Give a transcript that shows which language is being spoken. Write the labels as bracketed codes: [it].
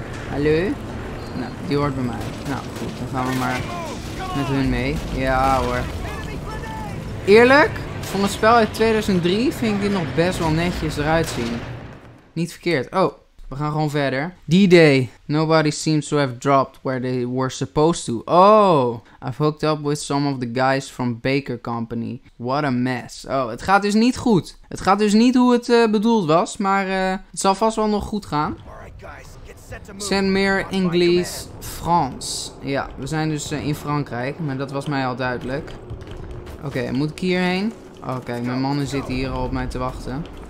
[nl] Hallo. Nou, die hoort bij mij. Nou, goed. Dan gaan we maar met hun mee. Ja hoor. Eerlijk. Van het spel uit 2003 vind ik dit nog best wel netjes eruit zien. Niet verkeerd. Oh. We gaan gewoon verder. D-Day. [en] Nobody seems to have dropped where they were supposed to. Oh. I've hooked up with some of the guys from Baker Company. What a mess. [nl] Oh, het gaat dus niet goed. Het gaat dus niet hoe het bedoeld was. Maar het zal vast wel nog goed gaan. Saint-Mer, Engels, France. Ja, we zijn dus in Frankrijk. Maar dat was mij al duidelijk. Oké, okay, moet ik hierheen? Oh, kijk. Mijn mannen zitten hier al op mij te wachten.